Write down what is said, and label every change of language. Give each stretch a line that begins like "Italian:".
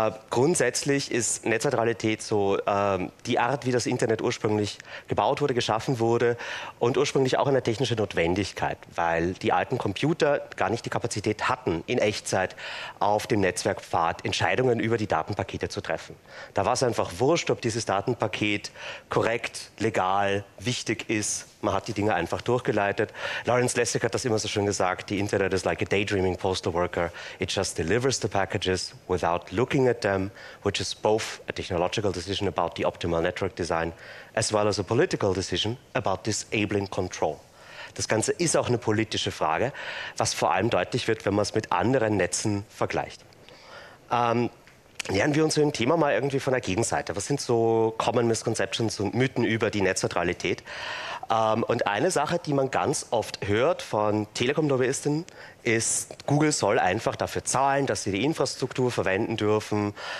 German: Grundsätzlich ist Netzneutralität so die Art, wie das Internet ursprünglich gebaut wurde, geschaffen wurde und ursprünglich auch eine technische Notwendigkeit, weil die alten Computer gar nicht die Kapazität hatten, in Echtzeit auf dem Netzwerkpfad Entscheidungen über die Datenpakete zu treffen. Da war es einfach wurscht, ob dieses Datenpaket korrekt, legal, wichtig ist. Man hat die Dinge einfach durchgeleitet. Lawrence Lessig hat das immer so schön gesagt,
English: the Internet is like a daydreaming postal worker. It just delivers the packages without looking at them, which is both a technological decision about the optimal network design, as well as a political decision about disabling control.
German: Das Ganze ist auch eine politische Frage, was vor allem deutlich wird, wenn man es mit anderen Netzen vergleicht. Nähern wir uns dem Thema mal irgendwie von der Gegenseite. Was sind so
English: common misconceptions
German: und Mythen über die Netzneutralität? Und eine Sache, die man ganz oft hört von Telekom-Lobbyisten, ist, Google soll einfach dafür zahlen, dass sie die Infrastruktur verwenden dürfen.